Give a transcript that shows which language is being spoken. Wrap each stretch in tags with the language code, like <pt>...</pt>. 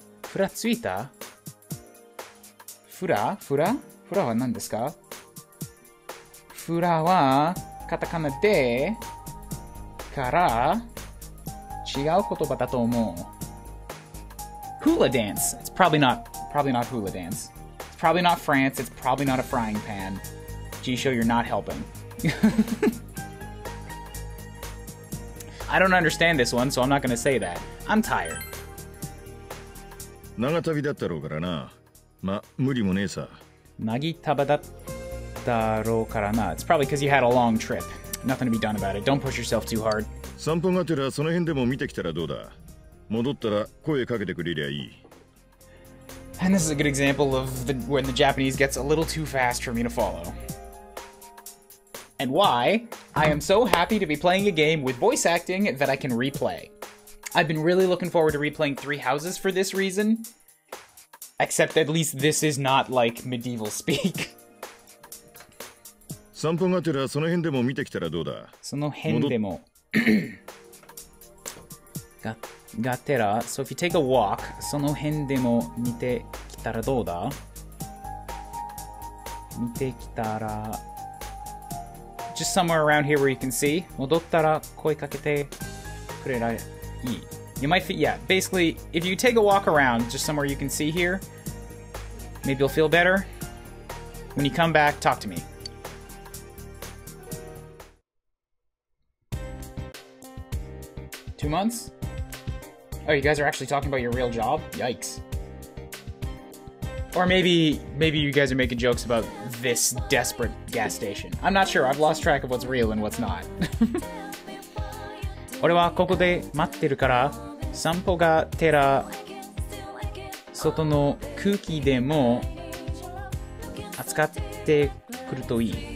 <ja>ふらついた？ふら？ふら？ふらは何ですか？ふらはカタカナでから違う言葉だと思う。</ja> <en>Hula dance. It's probably not hula dance. Probably not France, it's probably not a frying pan. Jisho, you're not helping. I don't understand this one, so I'm not gonna say that. I'm tired.</en> <ja>長旅だったろうからな。まあ、無理もねえさ。長旅だったろうからな。</ja> <en>It's probably because you had a long trip. Nothing to be done about it. Don't push yourself too hard.</en> <ja>散歩がてらその辺でも見てきたらどうだ。戻ったら声かけてくれりゃいい。</ja> <en>And this is a good example of when the Japanese gets a little too fast for me to follow. And why? I am so happy to be playing a game with voice acting that I can replay. I've been really looking forward to replaying Three Houses for this reason. Except at least this is not like medieval speak.</en> <ja>散歩がてらその辺でも見てきたらどうだ？その辺でも。がてら、</ja> <en>so if you take a walk,</en> <ja>その辺でも見てきたらどうだ？見てきたら、</ja> <en>just somewhere around here where you can see,</en> <ja>戻ったら声かけてくれない。</ja> <en>You might feel, yeah, basically, if you take a walk around, just somewhere you can see here, maybe you'll feel better. When you come back, talk to me. 2 months? Oh, you guys are actually talking about your real job? Yikes. Or maybe you guys are making jokes about this desperate gas station. I'm not sure. I've lost track of what's real and what's not.</en> <ja>俺はここで待ってるから、散歩がてら、外の空気でも扱ってくるといい。</ja>